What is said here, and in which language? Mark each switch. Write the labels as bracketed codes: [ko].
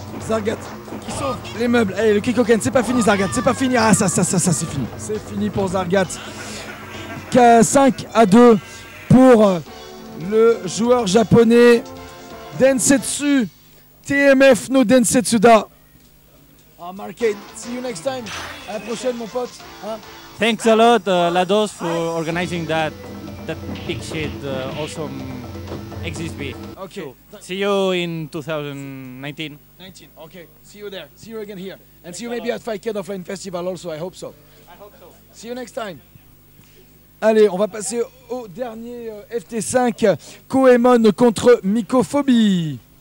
[fr] Zagat qui sauve les meubles. Allez, le kick-o-ken, c'est pas fini Zagat, c'est pas fini. Ah, ça, c'est fini. C'est fini pour Zagat. 5 à 2 pour le joueur japonais Densetsu. [ja] TMF no Densetsuda. [en] Ah, Marke, see you next time. [fr] À la prochaine, mon pote. Hein? [en] Thanks a lot, Lados, for organizing that big shit. Awesome. XSB. Okay. So, see you in 2019. 19. Okay. See you there. See you again here. And thanks, see you maybe at Fight Kid Offline Festival also. I hope so. See you next time. [fr] Allez, on va passer au dernier FT5. Koemon contre Mycophobie.